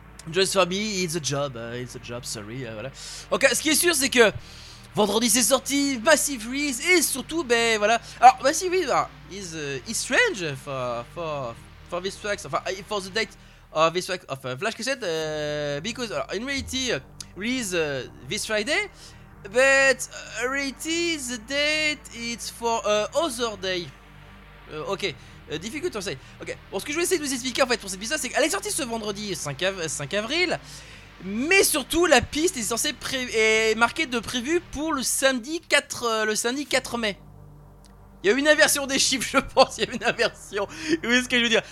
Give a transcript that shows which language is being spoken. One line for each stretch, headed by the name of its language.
English: Just for me, it's a job, sorry, voilà.
French: Ok, ce qui est sûr, c'est que vendredi c'est sorti, Massive Reese, et surtout, ben voilà.
English: Alors, Massive Reese, is strange for this track, enfin, for the date of this track of Flash Cassette, because, in reality, Reese this Friday, but reality, the date is for other day.
French: Ok. Difficulté, on sait. Ok. Bon, ce que je vais essayer de vous expliquer en fait pour cette piste, c'est qu'elle est sortie ce vendredi 5 avril, mais surtout la piste est censée est marquée de prévu pour le samedi 4 mai. Il y a eu une inversion des chiffres, je pense. Vous voyez ce que je veux dire.